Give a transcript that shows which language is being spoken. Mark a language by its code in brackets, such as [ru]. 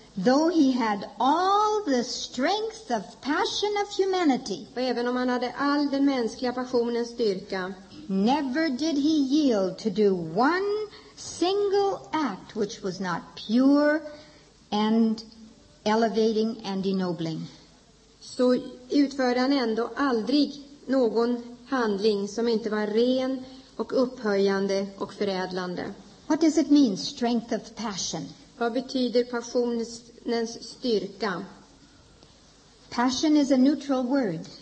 [en] Though he had all the strength of passion of humanity. [sv] Och även om han hade all den mänskliga passionens styrka. [en] Never did he yield to do one single act which was not pure and elevating and ennobling. [sv] Så utförde han ändå aldrig någon handling som inte var ren och upphöjande och förädlande. [en] What does it mean, strength of passion? [sv] Vad betyder passionens styrka? [en] Passion is a neutral word.